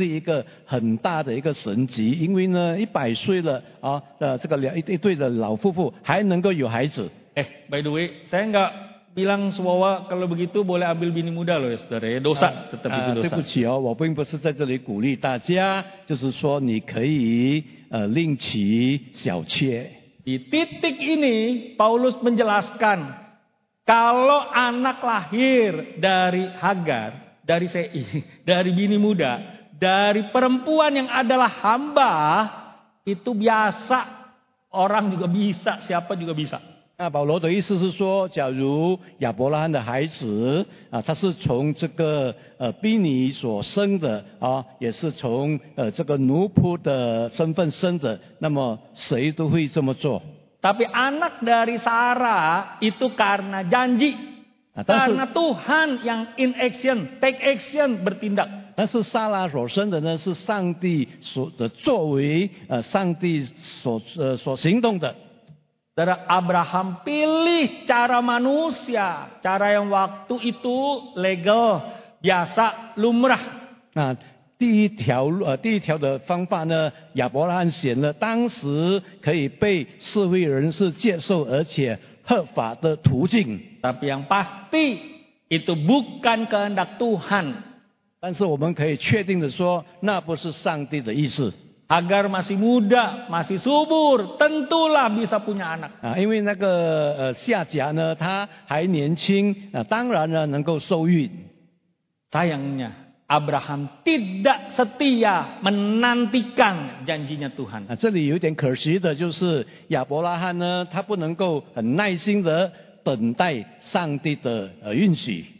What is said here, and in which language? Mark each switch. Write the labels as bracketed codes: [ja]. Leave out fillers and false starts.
[zh] 那亚伯拉罕和萨拉呢，就是经历一个很大的一个神迹， 因为呢，100岁了啊，这个两一对的老夫妇还能够有孩子。 [en] By the way, [id] saya enggak bilang semua kalau begitu boleh ambil bini muda loh, saudara. Dosa, tetap itu dosa. [zh] 对不起哦, 我并不是在这里鼓励大家, 就是说你可以另娶小妾。 [id] Di titik ini, Paulus menjelaskan, kalau anak lahir dari Hagar, dari bini muda, dari perempuan yang adalah hamba, itu biasa, orang juga bisa, siapa juga bisa. [zh] Nah, Paulus 的意思是说, 假如亚伯拉罕的孩子, 啊, 他是从这个, 婢女所生的, 啊, 也是从, 这个奴仆的身份生的, 那么谁都会这么做。 [id] Tapi anak dari Sarah itu karena janji. Nah, [zh] 但是, [id] karena Tuhan yang [en] in action, take action, [id] bertindak. [zh] 但是萨拉所生的呢，是上帝所的作为，上帝所行动的。 [id] Saudara, Abraham pilih cara manusia, cara yang waktu itu legal, biasa, lumrah. [zh] Nah, 第一条的方法呢，亚伯拉罕选了当时可以被社会人士接受而且合法的途径。 [id] Tapi yang pasti itu bukan kehendak Tuhan. [zh] 但是我们可以确定的说，那不是上帝的意思。 [id] agar masih muda, masih subur, tentulah bisa punya anak. [zh] Ah, 因为那个夏甲呢，他还年轻，那当然呢能够受孕。 [id] Sayangnya Abraham tidak setia menantikan janjinya Tuhan. [zh] Ah, 这里有点可惜的就是亚伯拉罕呢，他不能够很耐心的等待上帝的允许。